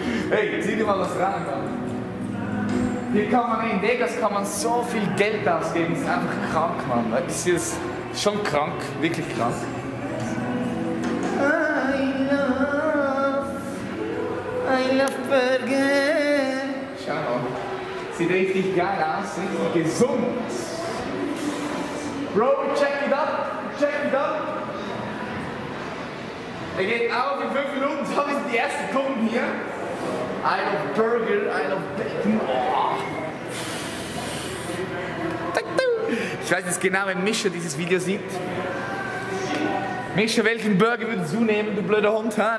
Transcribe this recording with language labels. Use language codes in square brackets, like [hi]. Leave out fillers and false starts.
[de] Ey, sieh dir mal was rein. Mann. Hier kann man, in Vegas kann man so viel Geld ausgeben, das ist einfach krank, Mann. Das ist jetzt schon krank, wirklich krank. [en] I love Burger. [de] Schau mal, sieht richtig geil aus, richtig gesund. [en] Bro, check it up, check it up. [de] Er geht auf in 5 Minuten, so ist die erste Kunden hier. [en] I love Burger, I love Bacon. [de] Ich weiß jetzt genau, wenn Mischa dieses Video sieht. Mischa, welchen Burger würdest du nehmen, du blöder Hund? Ha?